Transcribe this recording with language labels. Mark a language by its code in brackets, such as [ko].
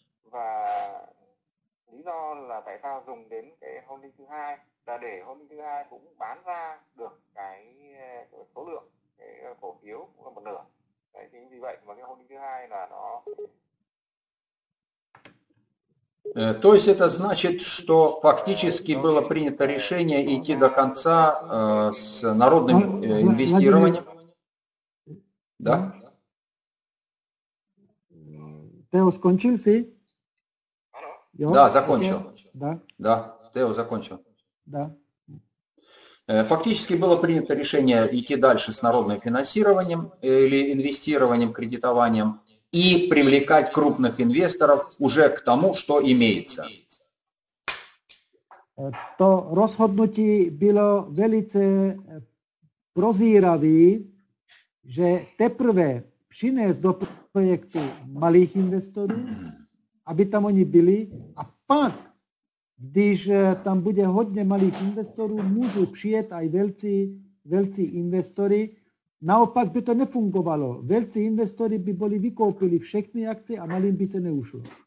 [vi] Và lý do là tại sao dùng đến cái holding thứ hai là để holding thứ hai cũng bán ra được cái số lượng cái cổ phiếu cũng là một nửa đấy, chính vì vậy mà cái holding thứ hai là nó. [ru] То есть это значит, что фактически было принято решение идти до конца с народным инвестированием? Да? Тео, закончил си? Да, закончил. Да? Да, Тео закончил. Да. Фактически было принято решение идти дальше с народным финансированием или инвестированием, кредитованием. И привлекать крупных инвесторов уже к тому, что имеется. То решение было очень прозиравое, [cs] že teprve přinést do projektu malých investorů, aby tam oni byli, a pak, když tam bude hodně malých investorů, můžou přijet aj velcí investory. Naopak by to nefungovalo. Velcí investory by byli vykoupili všechny akce a malým by se neušlo.